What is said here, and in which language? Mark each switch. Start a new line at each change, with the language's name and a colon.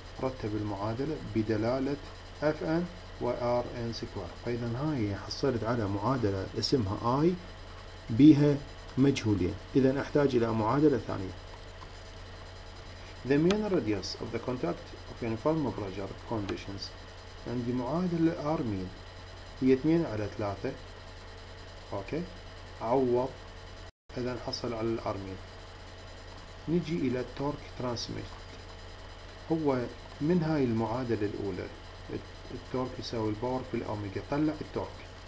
Arabic: رتب المعادله بدلاله اف ان و ار ان سكوير، فاذا هاي حصلت على معادله اسمها اي بها مجهولين، اذا احتاج الى معادله ثانيه.
English: The mean radius of the contact of uniform pressure conditions.
Arabic: عندي معادله ار مين هي 2 على 3 اوكي عوض، اذا حصل على الارمين. نجي الى التورك ترانسميت، هو من هاي المعادله الاولى التورك يساوي الباور في الاوميجا، طلع التورك.